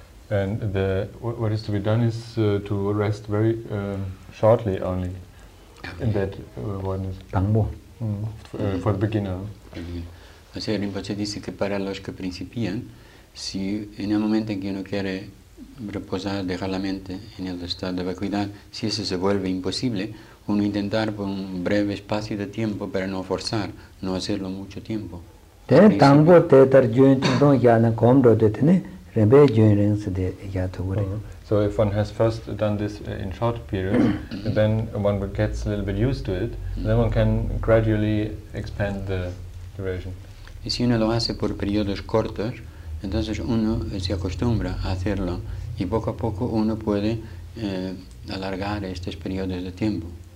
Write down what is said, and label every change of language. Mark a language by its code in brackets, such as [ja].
[en] And the what is to be done is to rest very shortly only in that one is Bangbo for the beginner. [es] Así que Rinpoche dice que para los que principian, si en el momento en que uno quiere reposar, dejar la mente en el estado de vacuidad, si eso se vuelve imposible, uno intentar por un breve espacio de tiempo para no forzar, no hacerlo mucho tiempo. [en] So if one has first done this in short period, then one gets a little bit used to it, then one can gradually expand the duration. [es] Y si uno lo hace por periodos cortos, entonces uno se acostumbra a hacerlo y poco a poco uno puede alargar estos periodos de tiempo.